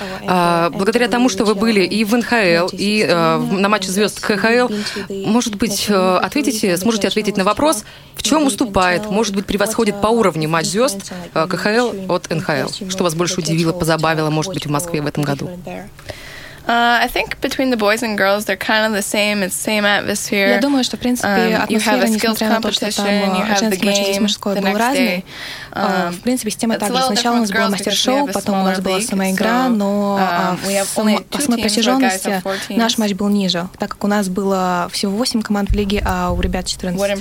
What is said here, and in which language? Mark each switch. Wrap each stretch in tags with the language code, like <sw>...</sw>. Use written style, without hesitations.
<ru>Благодаря тому, что вы были и в НХЛ, и на матче звезд КХЛ, может быть, сможете ответить на вопрос, в чем уступает, может быть, превосходит по уровню матч звезд КХЛ от НХЛ? Что вас больше удивило, позабавило, может быть, в Москве в этом году?</ru> <en>I think between the boys and girls, they're kind of the same. It's same atmosphere.</en> <ru>Я думаю, что в принципе атмосфера, несмотря на то, что там женский матч и мужской был разный. В принципе, с темой также сначала у нас было мастер-шоу, потом у нас была сама игра, но по самой протяженности наш матч был ниже, так как у нас было всего 8 команд в лиге, а у ребят 14.</ru>